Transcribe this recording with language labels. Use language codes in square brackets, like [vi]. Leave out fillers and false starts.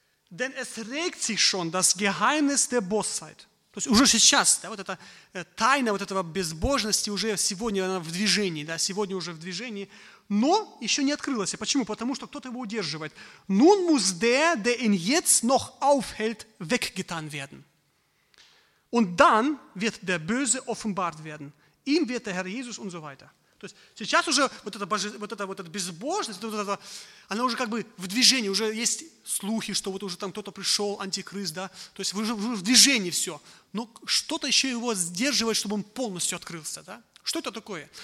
[de] «Denn es regt sich schon das Geheimnis der Bosheit». [ru] То есть уже сейчас, да, вот эта тайна вот этого безбожности уже сегодня она в движении, да, сегодня уже в движении, но еще не открылась. Почему? Потому что кто-то его удерживает. [de] Nun muss der ihn jetzt noch aufhält, weggetan werden. Und dann wird der Böse offenbart werden. Ihm wird der Herr Jesus und so weiter. [ru] То есть сейчас уже вот эта безбожность, вот эта, она уже как бы в движении, уже есть слухи, что вот уже там кто-то пришел, антихрист, да, то есть уже в движении все. Но что-то еще его сдерживает, чтобы он полностью открылся, да. Что это такое?